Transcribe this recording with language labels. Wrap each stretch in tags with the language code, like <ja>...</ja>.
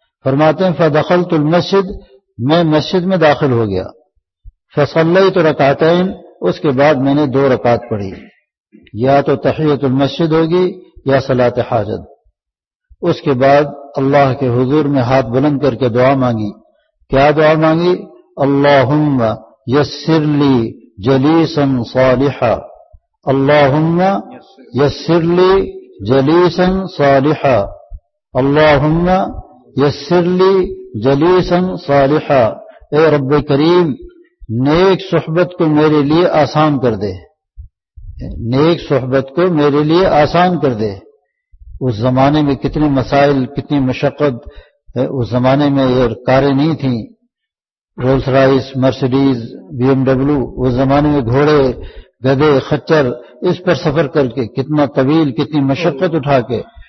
<ur>فرماتے ہیں</ur> <ar>فدخلت المسجد,</ar> <ur>میں مسجد میں داخل ہو گیا.</ur> <ar>فصلیت رکعتین,</ar> <ur>اس کے بعد میں نے دو رکعت پڑھی, یا تو تحیت المسجد ہوگی یا صلاۃ حاجت. اس کے بعد اللہ کے حضور میں ہاتھ بلند کر کے دعا مانگی. کیا دعا مانگی؟</ur> <ar>اللهم يسر لي جليسا صالحا, اللهم يسر لي جليسا صالحا, اللهم يسر لي جليسا صالحا.</ar> <ur>اے رب کریم, نیک صحبت کو میرے لیے آسان کر دے, نیک صحبت کو میرے لیے آسان کر دے. اس زمانے میں کتنے مسائل, کتنی مشقت. اس زمانے میں یہ کاریں نہیں تھیں, Rolls Royce, Mercedes, B M W. اس زمانے میں گھوڑے, گدے, خچر, اس پر سفر کر کے کتنا طویل, کتنی مشقت اٹھا کے.</ur>